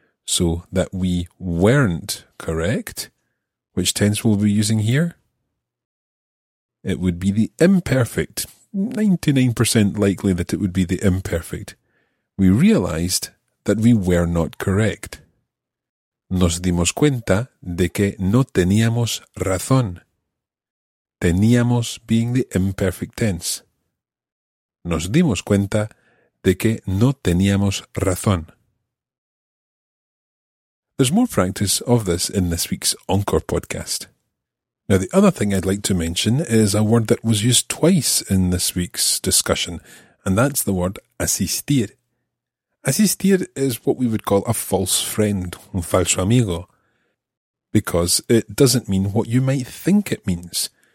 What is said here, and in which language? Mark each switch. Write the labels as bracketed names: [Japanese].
[English] So that we weren't correct, which tense will we be using here? It would be the imperfect, 99% likely that it would be the imperfect. We realized that we were not correct. [Spanish] Nos dimos cuenta de que no teníamos razón. Teníamos [English] being the imperfect tense. [Spanish] Nos dimos cuenta de que no teníamos razón. [English] There's more practice of this in this week's Encore podcast. Now, the other thing I'd like to mention is a word that was used twice in this week's discussion, and that's the word asistir. Asistir is what we would call a false friend, [Spanish] un falso amigo, [English] because it doesn't mean what you might think it means.